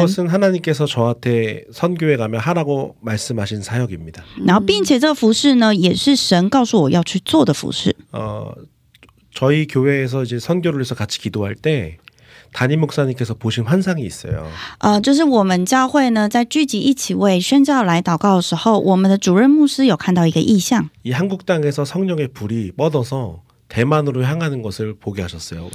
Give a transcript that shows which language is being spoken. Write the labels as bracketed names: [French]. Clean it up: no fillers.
[Korean] 이것은 하나님께서 저한테 선교회 가면 하라고 말씀하신 사역입니다. [Chinese] 然后，并且这个服事呢，也是神告诉我要去做的服事。 [Korean] 저희 교회에서 이제 선교를 위해서 같이 기도할 때 담임 목사님께서 보신 환상이 있어요. [Chinese] 就是我们教会呢在聚集一起为宣教来祷告的时候，我们的主任牧师有看到一个异象。 [Korean] 이 한국 땅에서 성령의 불이 뻗어서 대만으로 향하는 것을 보게 하셨어요.